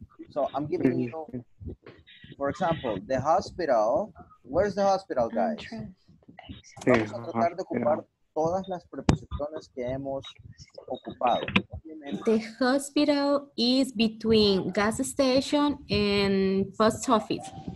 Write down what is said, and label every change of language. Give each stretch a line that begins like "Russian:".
English: So I'm giving you, for example, the hospital. Where's the hospital, guys? Entrance.
Spanish: Vamos a tratar de ocupar todas las preposiciones que hemos ocupado.
English: The hospital is between gas station and post office.